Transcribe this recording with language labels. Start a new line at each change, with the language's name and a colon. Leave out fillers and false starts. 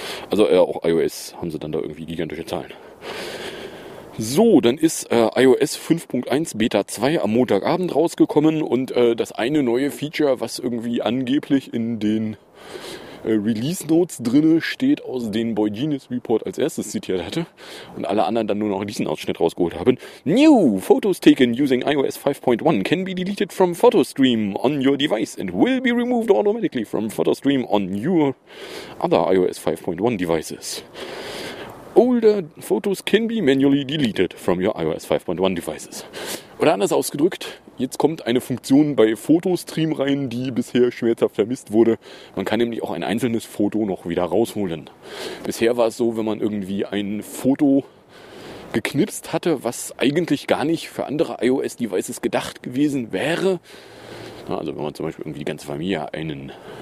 German: Also auch iOS haben sie dann da irgendwie gigantische Zahlen. So, dann ist iOS 5.1 Beta 2 am Montagabend rausgekommen und das eine neue Feature, was irgendwie angeblich in den Release Notes drin steht, aus dem Boy Genius Report als erstes zitiert hatte und alle anderen dann nur noch diesen Ausschnitt rausgeholt haben.
English: New! Photos taken using iOS 5.1 can be deleted from PhotoStream on your device and will be removed automatically from PhotoStream on your other iOS 5.1 devices. Older photos can be manually deleted from your iOS 5.1 devices.
German: Oder anders ausgedrückt, jetzt kommt eine Funktion bei PhotoStream rein, die bisher schmerzhaft vermisst wurde. Man kann nämlich auch ein einzelnes Foto noch wieder rausholen. Bisher war es so, wenn man irgendwie ein Foto geknipst hatte, was eigentlich gar nicht für andere iOS-Devices gedacht gewesen wäre. Also wenn man zum Beispiel irgendwie die ganze Familie einen